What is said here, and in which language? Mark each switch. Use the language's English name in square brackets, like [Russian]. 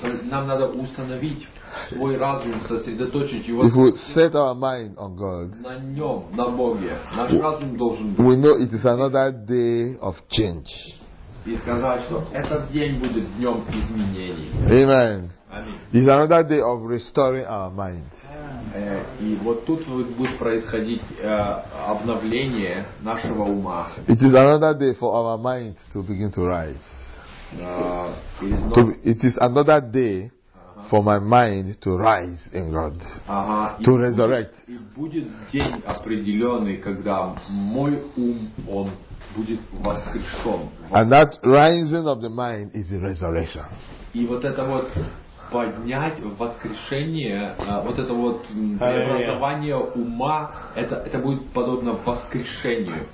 [Russian] Нам надо установить свой разум, сосредоточить его. [English] If we set our mind on God, [Russian] на нем, на Боге, наш разум должен быть. [English] We know it is another day of change. [Russian] И сказать, что этот день будет днем изменений. [English] Amen. It's another day of restoring our mind. [Russian] И вот тут будет происходить обновление нашего ума. [English] It is another day for our mind to begin to rise. It is another day for my mind to rise in God, to resurrect. [Russian] И будет день определенный, когда мой ум, он будет воскрешен. [English] And that rising of the mind is the resurrection. [Russian] И вот это вот поднять воскрешение, вот это вот преобразование ума, это будет подобно воскрешению.